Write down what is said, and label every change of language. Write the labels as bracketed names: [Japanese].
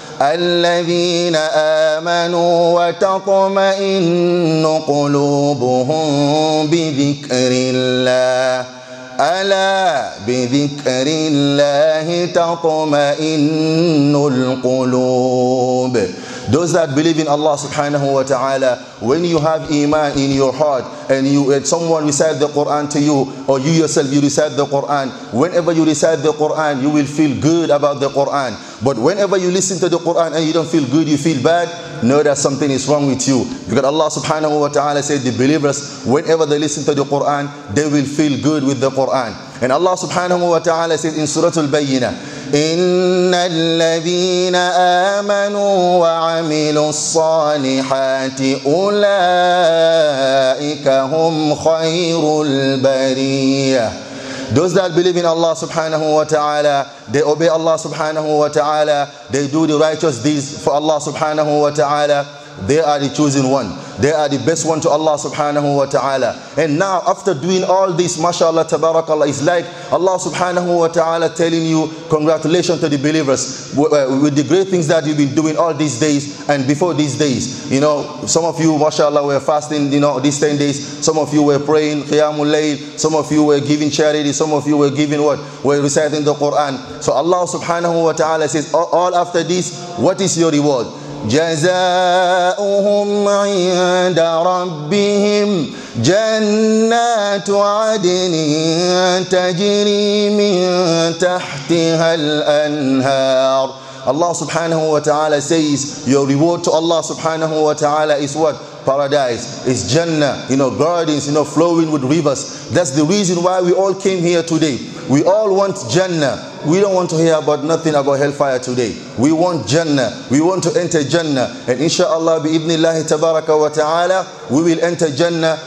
[Arabic] الذين آمنوا وتطمئن قلوبهم بذكر الله ألا بذكر الله تطمئن القلوب. [English] Those that believe in Allah subhanahu wa ta'ala, when you have iman in your heart and someone recite the Quran to you, or you yourself, you recite the Quran, whenever you recite the Quran, you will feel good about the Quran. But whenever you listen to the Quran and you don't feel good, you feel bad, know that something is wrong with you. Because Allah subhanahu wa ta'ala said, the believers, whenever they listen to the Quran, they will feel good with the Quran. And Allah subhanahu wa ta'ala said in Surah Al-Bayyinah, [Arabic] إن الذين آمنوا وعملوا الصالحات أولئك هم خير البرية. [English] Those that believe in Allah subhanahu wa ta'ala, they obey Allah subhanahu wa ta'ala, they do the righteous deeds for Allah subhanahu wa ta'ala, they are the chosen one. They are the best one to Allah subhanahu wa ta'ala. And now after doing all this, mashallah, tabarakallah, it's like Allah subhanahu wa ta'ala telling you, congratulations to the believers with the great things that you've been doing all these days and before these days. You know, some of you, mashallah, were fasting, you know, these 10 days. Some of you were praying, qiyamul layl. Some of you were giving charity. Some of you were giving what? Were reciting the Quran. So Allah subhanahu wa ta'ala says, all after this, what is your reward? [Arabic] جزاؤهم عند ربهم جنات عدن تجري من تحتها الأنهار. [English] Allah subhanahu wa ta'ala says your reward to Allah subhanahu wa ta'ala is what? Paradise, is Jannah, you know, gardens, you know, flowing with rivers. That's the reason why we all came here today. We all want Jannah. We don't want to hear about nothing about hellfire today. We want Jannah. We want to enter Jannah. And inshallah, bi-ibnillahi tabaraka wa ta'ala, we will enter Jannah.